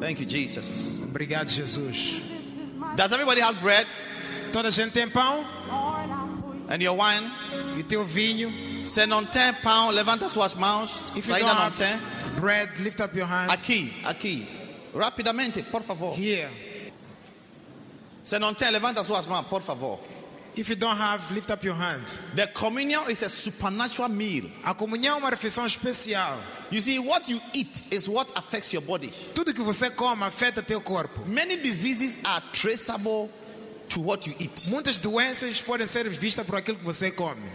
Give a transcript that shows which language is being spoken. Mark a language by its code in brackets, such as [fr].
[en] Thank you, Jesus. [pt] Obrigado, Jesus. [en] Does everybody have bread? [pt] Toda gente tem pão? [en] And your wine? [pt] E teu vinho? Se não tem pão, levanta suas mãos. [en] If you don't have bread, lift up your hand. [pt] Aqui, aqui. Rapidamente, por favor. [en] Here. [pt] Se não tem, levanta suas mãos, por favor. [en] If you don't have, lift up your hand. The communion is a supernatural meal. [pt] A comunhão é uma refeição especial. [en] You see, what you eat is what affects your body. [pt] Tudo que você come afeta teu corpo. [en] Many diseases are traceable to what you eat. [pt] Muitas doenças podem ser vistas por aquilo que você come.